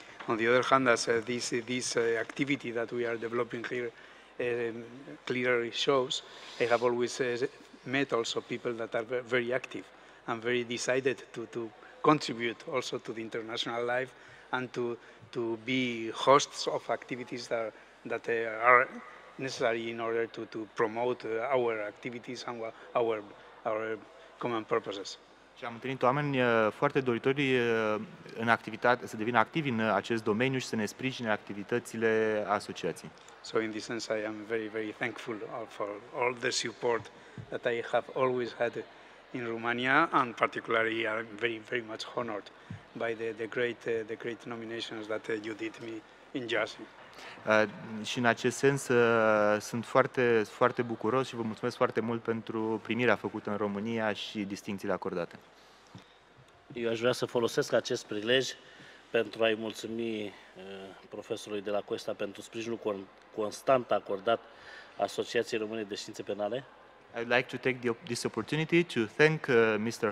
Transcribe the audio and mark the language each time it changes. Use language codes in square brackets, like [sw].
[en] On the other hand, as this activity that we are developing here clearly shows, I have always met also people that are very active and very decided to contribute also to the international life and to be hosts of activities that are necessary in order to promote our activities and our common purposes. [ro] Și am întâlnit oameni foarte doritori în activitate, să devină activi în acest domeniu și să ne sprijine activitățile asociației. [en] So in this sense I am very, very thankful for all the support that I have always had in Romania, and particularly I am very, very much honored by the great nominations that you did me in Jassy. [ro] Și în acest sens sunt foarte, foarte bucuros și vă mulțumesc foarte mult pentru primirea făcută în România și distincțiile acordate. Eu aș vrea să folosesc acest prilej pentru a-i mulțumi profesorului de la Cuesta pentru sprijinul constant acordat Asociației Române de Științe Penale. [en] I'd like to take this opportunity to thank Mr.